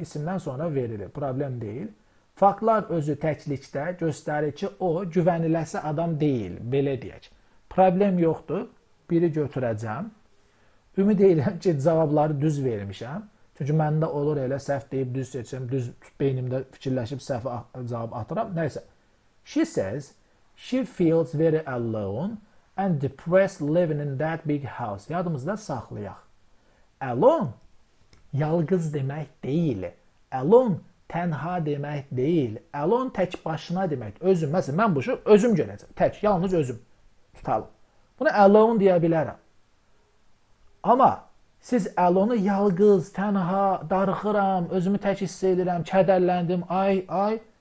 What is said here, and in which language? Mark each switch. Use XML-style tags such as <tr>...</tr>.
<az>İsimdən sonra verilir. Problem deyil. Faktlar özü təklikdə göstərir ki, o güvəniləsi adam deyil. Belə deyək. Problem yoxdur. Biri götürəcəm. Ümid edirəm ki, cavabları düz vermişəm. Çünki məndə olur elə səhv deyib düz seçim, düz beynimdə fikirləşib səhv cavab atıram. Neyse.</az> <en>She says, she feels very alone and depressed living in that big house.</en> <az>Yadımızda saxlayaq. Alone, yalqız demək deyil. Alone, tənha demək deyil. Alone, tək başına demək. Özüm, məsələn, mən bu şey özüm görəcəm. Tək, yalnız özüm. Tutalım. Bunu alone deyə bilərəm. Ama siz alone'u yalqız, tənha, darıxıram, özümü tək hiss edirəm, kədərləndim, ay, ay.</az>